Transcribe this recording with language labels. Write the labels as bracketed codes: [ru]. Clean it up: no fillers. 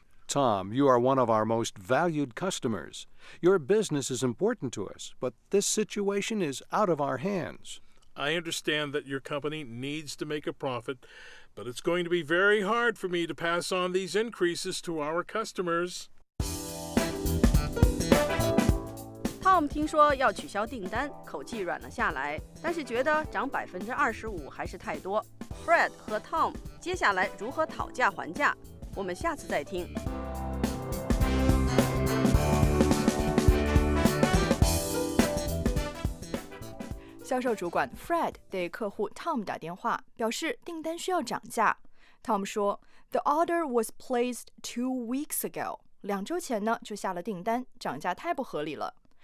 [en] Tom, you are one of our most valued customers. Your business is important to us, but this situation is out of our hands. I understand that your company needs to make a profit, but it's going to be very hard for me to pass on these increases to our customers. [zh] Tom 听说要取消订单，口气软了下来，但是觉得涨25%还是太多。 Fred 和 Tom 接下来如何讨价还价？我们下次再听。销售主管 Fred 对客户 Tom 打电话，表示订单需要涨价。 [en] Tom [zh] 说 [en] The order was placed 2 weeks ago. [zh] 两周前呢就下了订单，涨价太不合理了。